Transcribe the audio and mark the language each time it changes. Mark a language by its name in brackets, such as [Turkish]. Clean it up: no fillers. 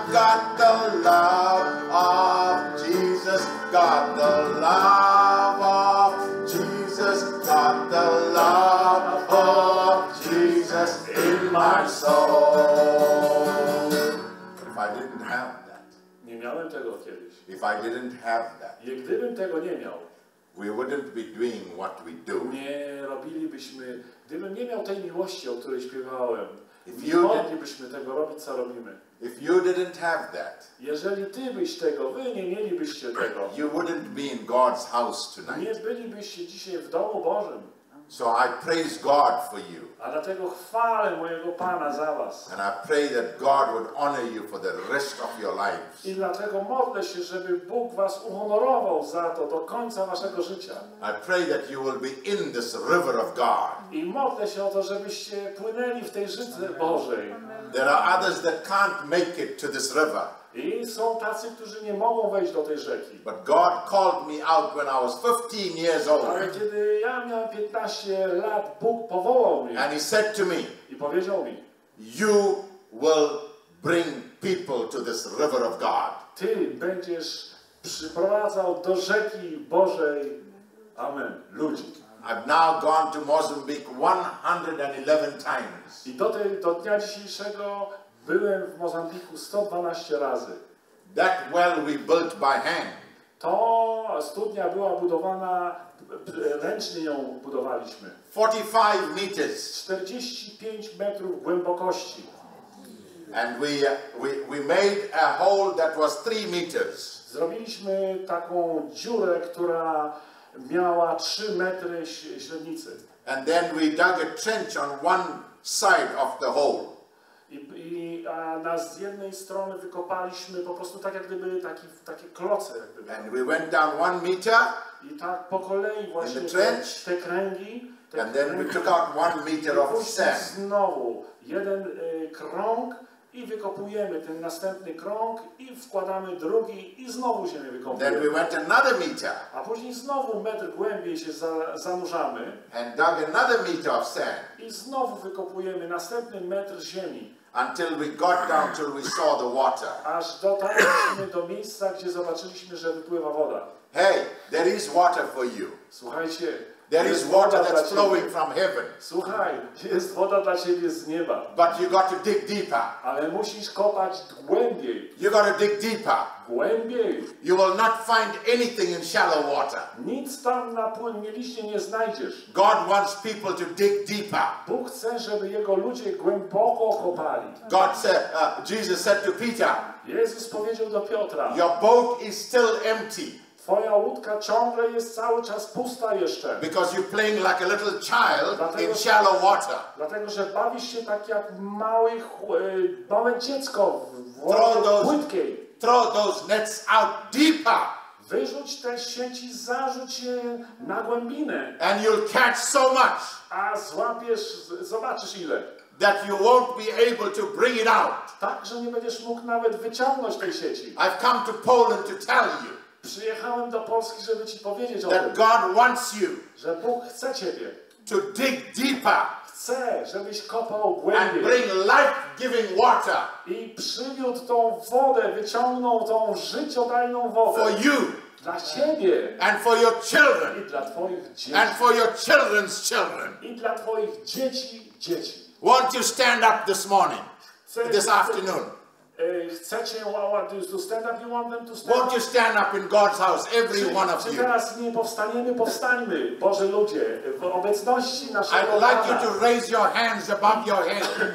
[English] love of Jesus, God, the love of Jesus, God, the love of Jesus in my soul. If I didn't have that, [Polish] nie miałem tego kiedyś. [English] If I didn't have that, [Polish] i gdybym tego nie miał, [English] we wouldn't be doing what we do. [Polish] Nie robilibyśmy, gdybym nie miał tej miłości, o której śpiewałem. [English] If you [Polish] nie moglibyśmy tego robić, co robimy. [English] If you didn't have that, [Polish] jeżeli ty byś tego, wy nie mielibyście tego. [English] You wouldn't be in God's house tonight. [Polish] Nie bylibyście dzisiaj w domu Bożym. [English] So I praise God for you. [Polish] A dlatego chwalę mojego Pana za was. [English] And I pray that God would honor you for the rest of your lives. [Polish] I dlatego modlę się, żeby Bóg was uhonorował za to do końca waszego życia. [English] I pray that you will be in this river of God. [Polish] I modlę się o to, żebyście płynęli w tej rzece Bożej. [English] There are others that can't make it to this river. [Polish] I są tacy, którzy nie mogą wejść do tej rzeki. [English] But God called me out when I was 15 years old. [Polish] Ale kiedy ja miałem 15 lat, Bóg powołał mnie. [English] And he said to me, [Polish] i powiedział mi, [English] you will bring people to this river of God. [Polish] Ty będziesz przyprowadzał do rzeki Bożej, amen, ludzi. [English] I've now gone to Mozambique 111 times. [Polish] I do dnia dzisiejszego byłem w Mozambiku 112 razy. [English] That well we built by hand. [Polish] To studnia była budowana, ręcznie ją budowaliśmy. [English] 45 meters. [Polish] 45 metrów głębokości. [English] And we made a hole that was 3 meters. [Polish] Zrobiliśmy taką dziurę, która miała 3 metry średnicy. [English] And then we dug a trench on one side of the hole. [Polish] I z jednej strony wykopaliśmy po prostu tak jak gdyby takie kloce jakby. [English] And we went down 1 meter. [Polish] I tak po kolei właśnie [English] in the trench, [Polish] te kręgi. [English] And then we took out 1 meter of sand. [Polish] Znowu jeden krąg i wykopujemy ten następny krąg i wkładamy drugi i znowu ziemię wykopujemy. [English] Then we went another meter. [Polish] A później znowu metr głębiej się zanurzamy. [English] And dug another meter of sand. [Polish] I znowu wykopujemy następny metr ziemi. [English] Until we got down till we saw the water. [Polish] Aż dotarliśmy do miejsca, gdzie zobaczyliśmy, że wypływa woda. [English] Hey, there is water for you. [Polish] Słuchajcie. [English] There is water that's flowing from heaven. [Polish] Słuchaj, jest woda dla ciebie z nieba. [English] But you got to dig deeper. [Polish] Ale musisz kopać głębiej. [English] You got to dig deeper. [Polish] Głębiej. [English] You will not find anything in shallow water. [Polish] Nic tam na płynnej liście nie znajdziesz. [English] God wants people to dig deeper. [Polish] Bóg chce, żeby jego ludzie głęboko kopali. [English] God said, Jesus said to Peter. [Polish] Jezus powiedział do Piotra. [English] Your boat is still empty. [Polish] Twoja łódka ciągle jest cały czas pusta jeszcze. [English] Because you're playing like a little child in shallow water. [Polish] Dlatego, że bawisz się tak jak małe dziecko w wodzie płytkiej. [English] Throw those nets out deeper. [Polish] Wyrzuć te sieci, zarzuć je na głębinę. [English] And you'll catch so much. [Polish] A złapiesz, zobaczysz ile. [English] That you won't be able to bring it out. [Polish] Tak, że nie będziesz mógł nawet wyciągnąć tej sieci. [English] I've come to Poland to tell you. [Polish] Przyjechałem do Polski, żeby ci powiedzieć o [English] that [Polish] tym, [English] God wants you, [Polish] że Bóg chce ciebie. [English] To dig deeper. [Polish] Chce, żebyś kopał głębiej. [English] And bring life-giving water. [Polish] I przywiódł tą wodę, wyciągnął tą życiodajną wodę. [English] For you. [Polish] Dla ciebie. [English] And for your children. [Polish] I dla twoich dzieci. [English] And for your children's children. [Polish] I dla twoich dzieci. [English] Won't you stand up this morning? This afternoon. [Polish] Chcecie, [English] to stand up, you want them to stand up? Won't you stand up in God's house, every one of you? [Polish] Czy teraz nie powstaniemy? Powstańmy, Boże ludzie, w obecności naszego Pana. [English] I'd like you to raise your hands above your head.